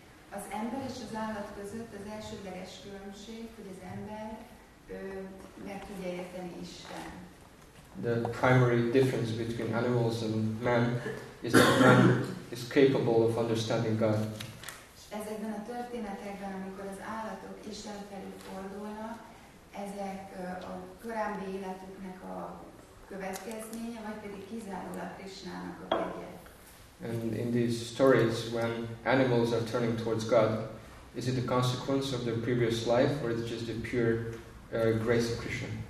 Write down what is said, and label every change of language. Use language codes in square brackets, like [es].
[hu] Az ember és az állat között az elsődleges különbség, hogy az ember meg tudja érteni Isten. [en] The primary difference between animals and man is that man is capable of understanding God. [hu] Ezekben a történetekben, amikor az állatok Isten felé fordulnak, ezek a korábbi életüknek a következménye, vagy pedig kizárólag Krisnának a kegye. [en] And in these stories, when animals are turning towards God, is it a consequence of their previous life, or is it just a pure grace of Krishna?